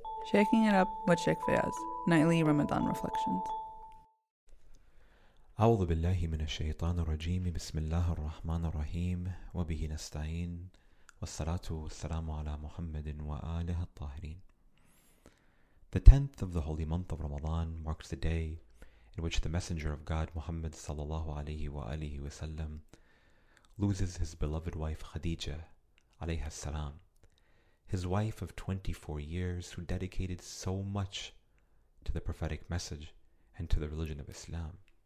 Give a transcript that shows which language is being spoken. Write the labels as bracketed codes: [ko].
[en] Shaking it up with Sheikh Fayaz, Nightly Ramadan Reflections. [ar] أعوذ بالله من الشيطان الرجيم بسم الله الرحمن الرحيم وبه نستعين والصلاة والسلام على محمد وآله الطاهرين. [en] The 10th of the holy month of Ramadan marks the day in which the Messenger of God Muhammad [ar] صلى الله عليه وآله وسلم [en] loses his beloved wife Khadija [ar] عليها السلام, [en] his wife of 24 years who dedicated so much to the prophetic message and to the religion of Islam.